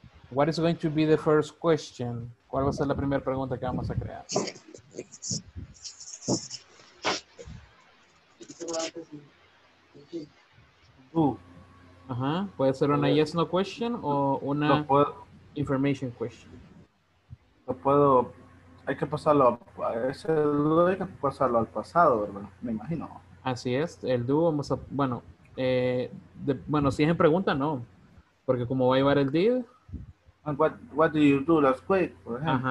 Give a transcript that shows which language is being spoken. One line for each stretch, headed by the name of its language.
English: What is going to be the first question?
Spanish: ¿Cuál va a ser la primera pregunta que vamos a crear? Ajá. ¿Puede ser una yes no question o una information question? No puedo. Hay que pasarlo a ese do, hay que pasarlo al pasado, hermano. Me imagino. Así es. El do vamos a, bueno, bueno, si es en pregunta, no. Porque como va a llevar el did.
English: What do you do last week, for example?